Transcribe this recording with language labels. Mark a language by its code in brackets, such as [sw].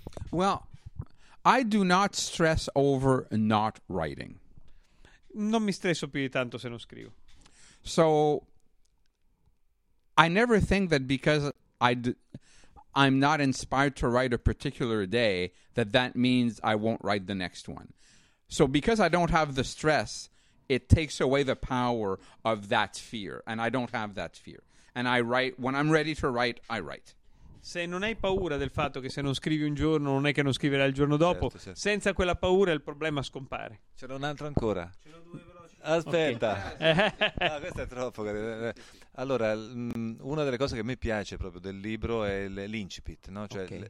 [en] Well, I do not stress over not writing. [it] Non mi stresso più di tanto se non scrivo. [en] So, I never think that because I'm not inspired to write a particular day, that means I won't write the next one. So because I don't have the stress, it takes away the power of that fear, and I don't have that fear. And I write when I'm ready to write, I write. [it] Se non hai paura del fatto che se non scrivi un giorno non è che non scriverai il giorno dopo, certo. Senza quella paura il problema scompare. Ce n'ho un altro ancora. Ce n'ho due veloci. Aspetta. Okay. No, questo è troppo. Allora, una delle cose che a me piace proprio del libro è l'incipit, no? Cioè okay.